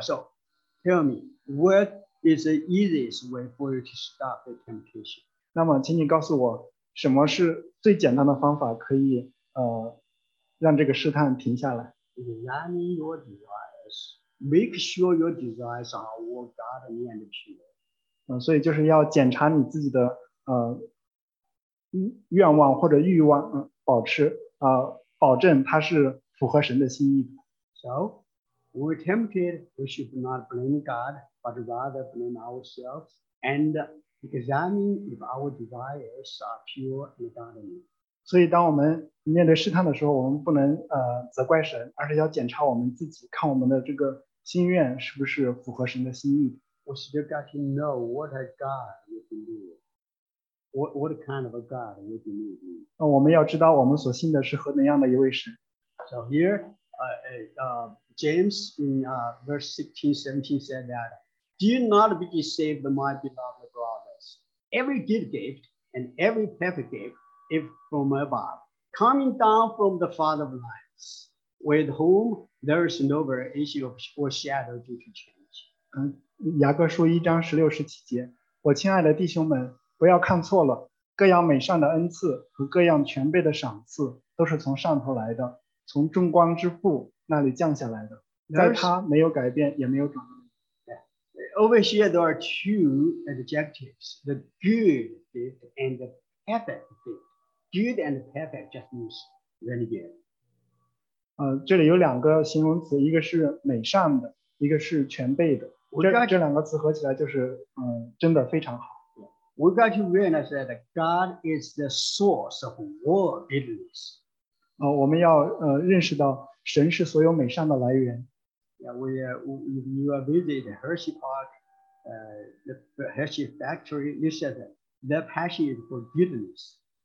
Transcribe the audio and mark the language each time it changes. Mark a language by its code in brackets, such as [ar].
[en] So, tell me. What is the easiest way for you to stop the temptation? [zh] 那么请你告诉我什么是最简单的方法可以让这个试探停下来。 [en] Examine your desires. Make sure your desires are all godly and pure. [zh] 所以就是要检查你自己的愿望或者欲望保证它是符合神的心意的。 [en] So, when we're tempted, we should not blame God. But rather blame ourselves and examine if our desires are pure and godly. [zh] 所以当我们面对试探的时候，我们不能责怪神，而是要检查我们自己，看我们的这个心愿是不是符合神的心意。 [en] We still got to know what a God we believe. What kind of a God we believe in. [zh] 我们要知道我们所信的是何等样的一位神。 [en] So here, James in verse 16-17 said that. Do not be deceived, my beloved brothers. Every good gift and every perfect gift is from above, coming down from the Father of lights, with whom there is no variation or shadow due to change. [zh] 雅各书一章十六十七节，我亲爱的弟兄们，不要看错了，各样美善的恩赐和各样全备的赏赐都是从上头来的，从众光之父那里降下来的，在他没有改变，也没有转。 [en] Over here, there are two adjectives, the good gift and the perfect gift. Good and perfect just means really good. [zh] 这里有两个形容词，一个是美善的，一个是全备的。这两个词合起来就是真的非常好。 [en] We got to realize that God is the source of all goodness. [zh] 我们要认识到神是所有美善的来源。 [en] Yeah, if you visit Hershey Park, the Hershey factory, you said that their passion is for goodness.